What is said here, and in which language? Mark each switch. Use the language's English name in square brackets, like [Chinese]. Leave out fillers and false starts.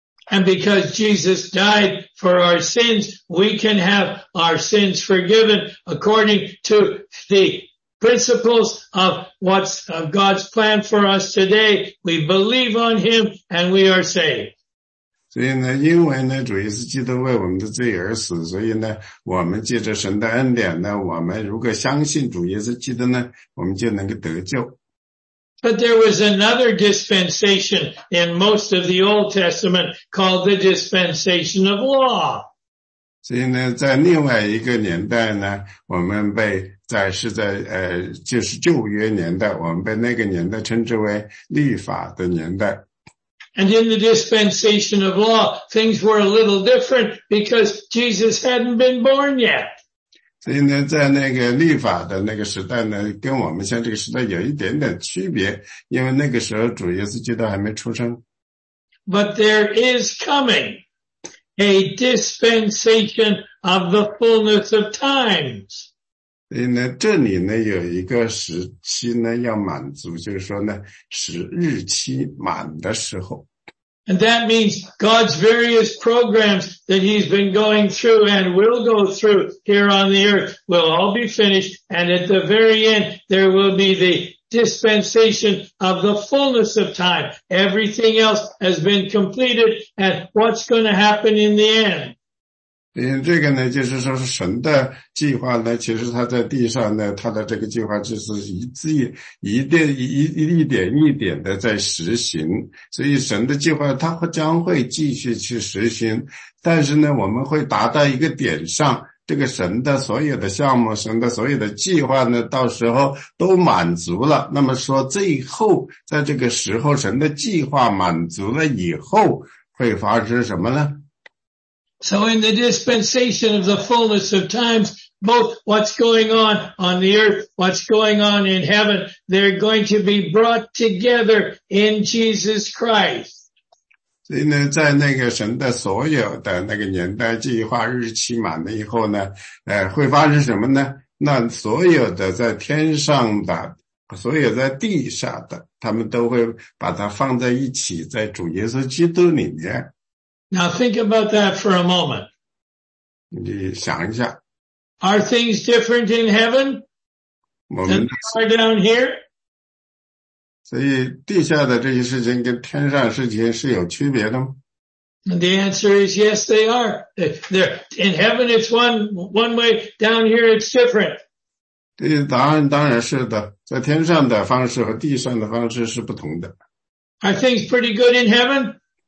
[English] And because Jesus died for our sins, we can have our sins forgiven according to the principles of what's of God's plan for us today. We believe on Him and we are saved. [Chinese] 所以呢，因为呢，主耶稣基督为我们的罪而死，所以呢，我们借着神的恩典呢，我们如果相信主耶稣基督呢，我们就能够得救。 [English] But there was another dispensation in most of the Old Testament called the dispensation of law. [Chinese] 所以呢，在另外一个年代呢，我们被在是在就是旧约年代，我们被那个年代称之为律法的年代。 [English] And in the dispensation of law, things were a little different because Jesus hadn't been born yet. [Chinese] 所以呢，在那个律法的那个时代呢，跟我们现在这个时代有一点点区别，因为那个时候主耶稣基督还没出生。 [English] But there is coming a dispensation of the fullness of times. [Chinese] 所以呢，这里呢有一个时期呢要满足，就是说呢，是日期满的时候。 [English] And that means God's various programs that he's been going through and will go through here on the earth will all be finished. And at the very end, there will be the dispensation of the fullness of time. Everything else has been completed. And what's going to happen in the end? [Chinese] 这个呢就是说神的计划呢其实他在地上呢他的这个计划就是一点一点的在实行。所以神的计划他将会继续去实行。但是呢我们会达到一个点上这个神的所有的项目神的所有的计划呢到时候都满足了。那么说最后在这个时候神的计划满足了以后会发生什么呢？ [English] So in the dispensation of the fullness of times, both what's going on the earth, what's going on in heaven, they're going to be brought together in Jesus Christ. [Chinese] 所以呢在那个神的所有的那个年代计划日期满了以后呢会发生什么呢？那所有的在天上的所有在地下的他们都会把它放在一起在主耶稣基督里面。 [English] Now think about that for a moment. [Chinese] 你想一下。 [English] Are things different in heaven than they are down here? [Chinese] 所以地下的这些事情跟天上事情是有区别的吗？ [English] And the answer is yes, they are. In heaven it's one way, down here it's different. [Chinese] 对，答案当然是的。在天上的方式和地上的方式是不同的。 [English] Are things pretty good in heaven?